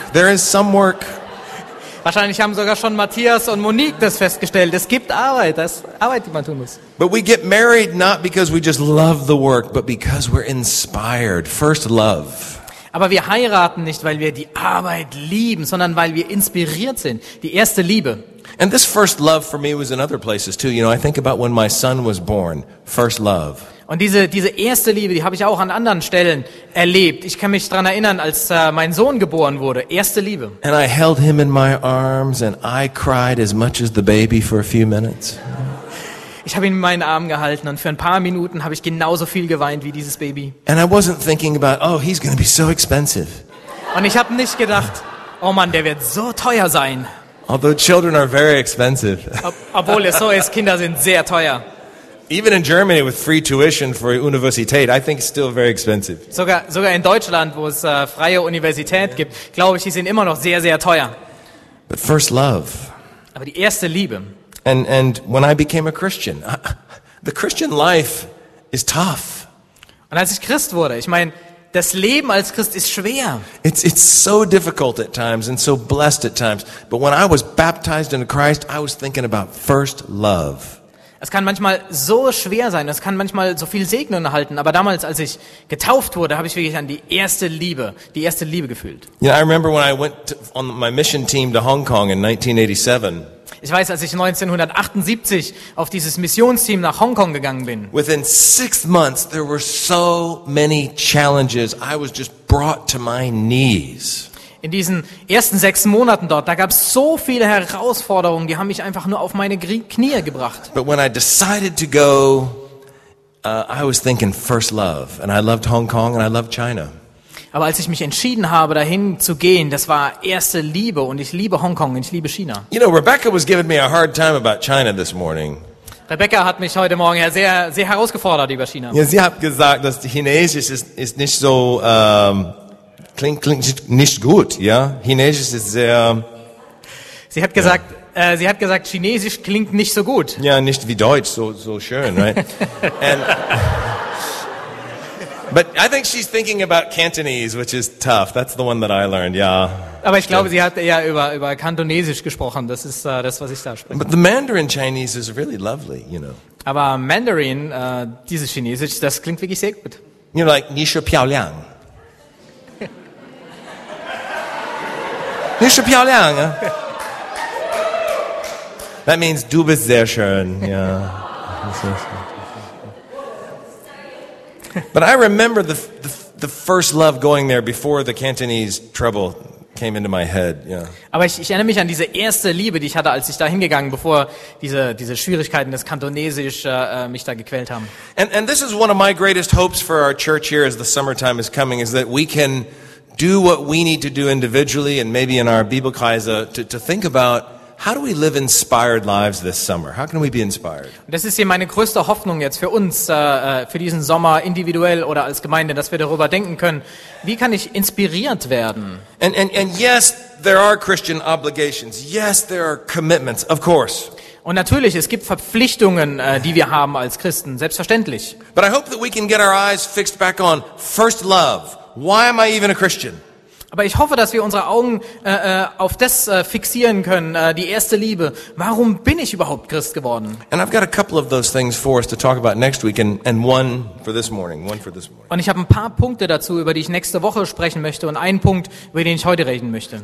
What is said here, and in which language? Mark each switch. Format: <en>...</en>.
<en>There is some work.</en> <de>Wahrscheinlich haben sogar schon Matthias und Monique das festgestellt. Es gibt Arbeit, das ist Arbeit, die man tun muss.</de> <en>But we get married not because we just love the work, but because we're inspired. First love.</en> <de>Aber wir heiraten nicht, weil wir die Arbeit lieben, sondern weil wir inspiriert sind. Die erste Liebe.</de> <en>And this first love for me was in other places too. You know, I think about when my son was born. First love.</en> <de>Und diese erste Liebe, die habe ich auch an anderen Stellen erlebt. Ich kann mich daran erinnern, als mein Sohn geboren wurde. Erste Liebe.</de> <en>And I held him in my arms and I cried as much as the baby for a few minutes.</en> <de>Ich habe ihn in meinen Armen gehalten und für ein paar Minuten habe ich genauso viel geweint wie dieses Baby.</de> <en>And I wasn't thinking about, oh, he's going to be so expensive.</en> <de>Und ich habe nicht gedacht, oh Mann, der wird so teuer sein.</de> <en>Although children are very expensive.</en> <de>Obwohl es so ist, Kinder sind sehr teuer.</de> <en>Even in Germany with free tuition for Universität, I think it's still very expensive.</en> <de>Sogar in Deutschland, wo es freie Universität gibt, glaube ich, die sind immer noch sehr, sehr teuer.</de> <en>But first love.</en> <de>Aber die erste Liebe.</de> <en>And when I became a Christian, the Christian life is tough.</en> <de>Und als ich Christ wurde, ich meine, das Leben als Christ ist schwer.</de> <en>It's so difficult at times and so blessed at times. But when I was baptized into Christ, I was thinking about first love.</en> <de>Es kann manchmal so schwer sein, es kann manchmal so viel Segnungen erhalten, aber damals, als ich getauft wurde, habe ich wirklich an die erste Liebe gefühlt.</de> <en>You know, I remember when I went on my mission team to Hong Kong in 1987.</en> <de>Ich weiß, als ich 1978 auf dieses Missionsteam nach Hongkong gegangen bin.</de> <en>Within 6 months there were so many challenges, I was just brought to my knees.</en> <de>In diesen ersten 6 Monaten dort, da gab es so viele Herausforderungen, die haben mich einfach nur auf meine Knie gebracht.</de> <en>But when I decided to go, I was thinking first love, and I loved Hong Kong and I loved China.</en> <de>Aber als ich mich entschieden habe, dahin zu gehen, das war erste Liebe und ich liebe Hongkong und ich liebe China.</de> <en>You know, Rebecca was giving me a hard time about China this morning.</en> <de>Rebecca hat mich heute Morgen ja sehr, sehr herausgefordert über China. Ja, sie hat gesagt, dass Chinesisch ist nicht so klingt nicht gut, ja. Chinesisch ist sehr. Sie hat gesagt, sie hat gesagt, Chinesisch klingt nicht so gut. Ja, nicht wie Deutsch, so schön,</de> <en>right? And, but I think she's thinking about Cantonese, which is tough. That's the one that I learned. Yeah.</en> <de>Aber ich glaube, sie hat eher über Kantonesisch gesprochen. Das ist das, was ich da spreche.</de> <en>But the Mandarin Chinese is really lovely, you know.</en> <de>Aber Mandarin, dieses Chinesisch, das klingt wirklich sehr gut.</de> <en>You know, like</en> <zh>Nishu Piaoliang. Nishu Piaoliang.</zh> <en>That means</en> <de>du bist sehr schön.</de> <en>Yeah. But I remember the first love going there before the Cantonese trouble came into my head. Yeah.</en> <de>Aber ich erinnere mich an diese erste Liebe, die ich hatte, als ich da hingegangen, bevor diese Schwierigkeiten des Kantonesisch mich da gequält haben.</de> <en>And this is one of my greatest hopes for our church here as the summertime is coming, is that we can do what we need to do individually and maybe in our Bibelkreise to think about how do we live inspired lives this summer? How can we be inspired?</en> <de>Das ist hier meine größte Hoffnung jetzt für uns, für diesen Sommer, individuell oder als Gemeinde, dass wir darüber denken können, wie kann ich inspiriert werden?</de> <en>And yes, there are Christian obligations. Yes, there are commitments, of course.</en> <de>Und natürlich, es gibt Verpflichtungen, die wir haben als Christen, selbstverständlich.</de> <en>But I hope that we can get our eyes fixed back on first love. Why am I even a Christian?</en> <de>Aber ich hoffe, dass wir unsere Augen auf das fixieren können, die erste Liebe. Warum bin ich überhaupt Christ geworden?</de> <en>And I've got a couple of those things for us to talk about next week and one for this morning, one for this morning.</en> <de>Und ich habe ein paar Punkte dazu, über die ich nächste Woche sprechen möchte und einen Punkt, über den ich heute reden möchte.</de>